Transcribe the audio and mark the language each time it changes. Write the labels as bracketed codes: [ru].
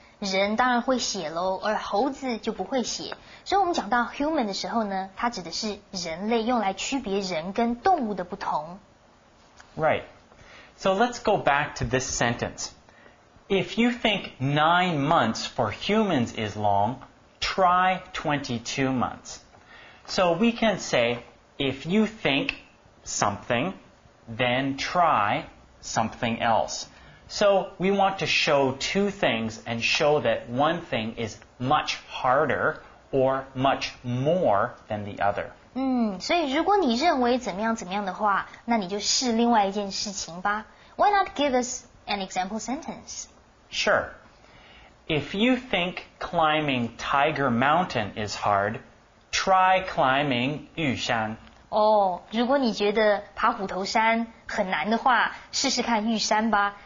[zh] 人当然会写咯而猴子就不会写。所以我们讲到 human 的时候呢它指的是人类用来区别人跟动物的不同。 [en] Right. So let's go back to this sentence. If you think 9 months for humans is long, try 22 months. So we can say, if you thinkSomething, then try something else. So we want to show two things and show that one thing is much harder or much more than the other. [zh] 所以如果你认为怎么样怎么样的话，那你就试另外一件事情吧。 [en] Why not give us an example sentence? Sure. If you think climbing Tiger Mountain is hard, try climbing 玉山。 [zh] 如果你觉得爬虎头山很难的话，试试看玉山吧。